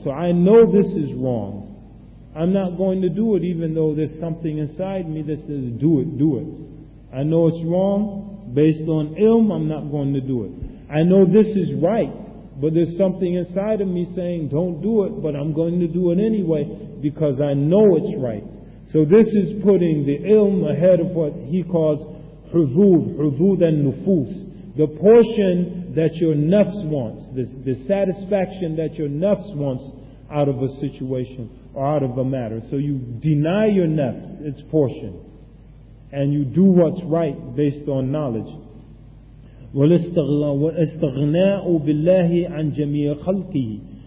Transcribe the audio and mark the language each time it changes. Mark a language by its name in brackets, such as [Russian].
[English] So I know this is wrong. I'm not going to do it even though there's something inside me that says do it, do it. I know it's wrong. Based on ilm, I'm not going to do it. I know this is right, But there's something inside of me saying, don't do it, but I'm going to do it anyway because I know it's right. So this is putting the ilm ahead of what he calls huvud, huvud and nufus. The portion that your nafs wants, the satisfaction that your nafs wants out of a situation or out of a matter. So you deny your nafs its portion and you do what's right based on knowledge. [Arabic] وَالْاِسْتَغْنَاءُ بِاللَّهِ عَنْ جَمِيعَ خَلْقِهِ